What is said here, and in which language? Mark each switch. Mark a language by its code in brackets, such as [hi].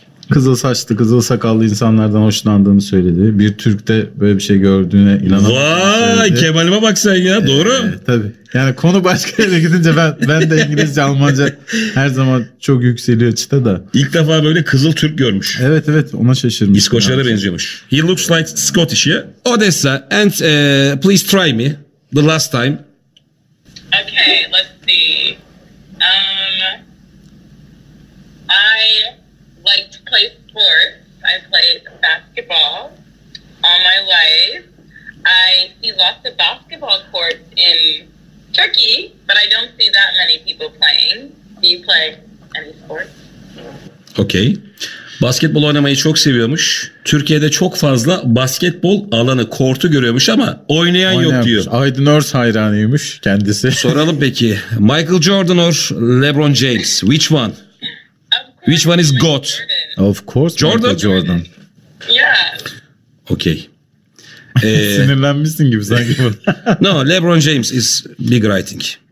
[tr] kızıl saçlı, kızıl sakallı insanlardan hoşlandığını söyledi. Bir Türk de böyle bir şey gördüğüne inanamadı. Vay, Kemal'ime bak sen ya. Doğru. Tabii. Yani konu başka yere gidince ben de İngilizce, Almanca her zaman çok yükseliyor çıta da. İlk defa böyle kızıl Türk görmüş. Evet evet, ona şaşırmış. İskoçlara benziyormuş. [en] He looks like Scottish, yeah? Odessa, and please try me the last time. Okay, let's see. I like to play sports. I played basketball all my life. I see lots of basketball courts in Turkey, but I don't see that many people playing. Do you play any sports? Okay. [tr] Basketbol oynamayı çok seviyormuş. Türkiye'de çok fazla basketbol alanı, kortu görüyormuş ama oynayan yok diyor. Aydın Örs hayranıymış kendisi. Soralım peki. [en] Michael Jordan or LeBron James? Which one? Which one is GOAT? Of course Jordan. Michael Jordan. Yeah. Okay. [tr] Sinirlenmişsin gibi sanki. [en] No, LeBron James is bigger, I think.